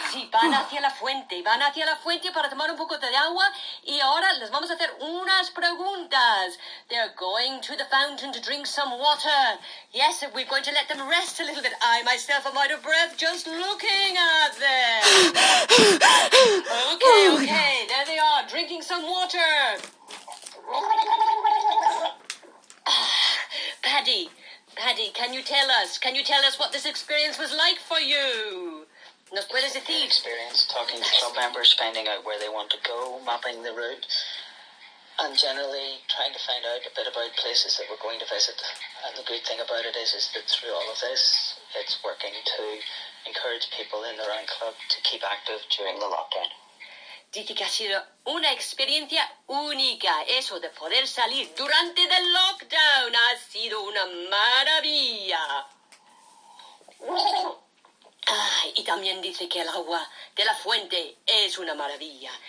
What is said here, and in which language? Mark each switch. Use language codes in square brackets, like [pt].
[es] Van hacia la fuente, van hacia la fuente para tomar un poco de agua y ahora les vamos a hacer unas preguntas. [en] They're going to the fountain to drink some water. Yes, we're going to let them rest a little bit. I myself am out of breath just looking at them. Okay, okay, there they are, drinking some water. Paddy, can you tell us what this experience was like for you? [es] Nos puedes decir. [en] Experience talking to club members, finding out where they want to go, mapping the route, and generally trying to find out a bit about places that we're going to visit. And the good thing about it is that through all of this, it's working to encourage people in their own club to keep active during the lockdown. [es] Dice que ha sido una experiencia única, eso de poder salir durante el lockdown ha sido una maravilla. Y también dice que el agua de la fuente es una maravilla.